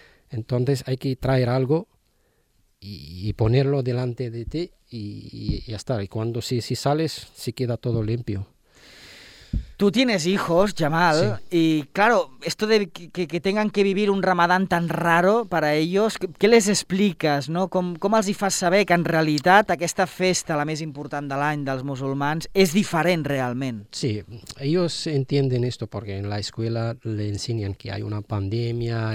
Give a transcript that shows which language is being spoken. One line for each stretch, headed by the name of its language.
Spanish: Entonces hay que traer algo y ponerlo delante de ti y ya está. Y cuando si sales, se queda todo limpio. Tú tienes hijos, Jamal, sí. Y claro, esto de que tengan que vivir un ramadán tan raro para ellos, ¿qué les explicas, no?
Catalan: ¿Cómo els hi fas saber que en realitat aquesta festa, la més important de l'any dels musulmans, és diferent realment?
Spanish: Sí, ellos entienden esto porque en la escuela le enseñan que hay una pandemia,